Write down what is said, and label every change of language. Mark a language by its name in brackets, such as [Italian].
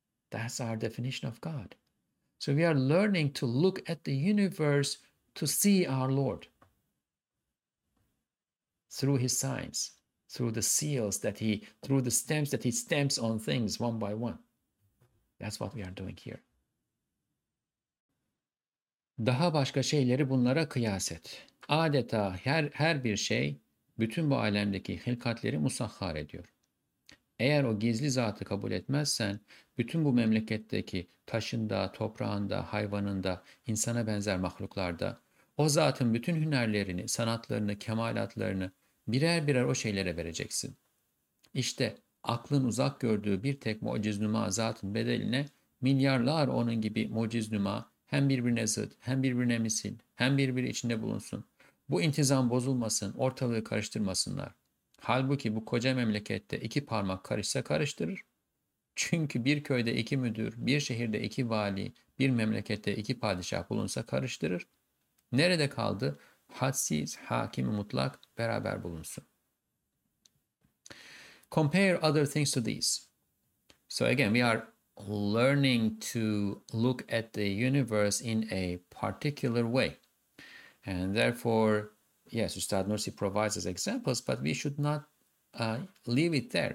[English] That's our definition of God. So we are learning to look at the universe to see our Lord through his signs, through the seals that he, through the stamps that he stamps on things one by one. That's what we are doing here. [Turkish] Daha başka şeyleri bunlara kıyas et. Adeta her bir şey bütün bu alemdeki hilkatleri musahhar ediyor. Eğer o gizli zatı kabul etmezsen, bütün bu memleketteki taşında, toprağında, hayvanında, insana benzer mahluklarda, o zatın bütün hünerlerini, sanatlarını, kemalatlarını birer birer o şeylere vereceksin. İşte aklın uzak gördüğü bir tek mucizenuma zatın bedeline milyarlar onun gibi mucizenuma hem birbirine zıt, hem birbirine misil, hem birbiri içinde bulunsun. Bu intizam bozulmasın, ortalığı karıştırmasınlar. Halbuki bu koca memlekette iki parmak karışsa karıştırır. Çünkü bir köyde iki müdür, bir şehirde iki vali, bir memlekette iki padişah bulunsa karıştırır. Nerede kaldı? Hadsiz, hakim-i mutlak beraber bulunsun. [English] compare other things to these. So again, we are learning to look at the universe in a particular way. And therefore, yes, Ustad Nursi provides us examples, but we should not leave it there.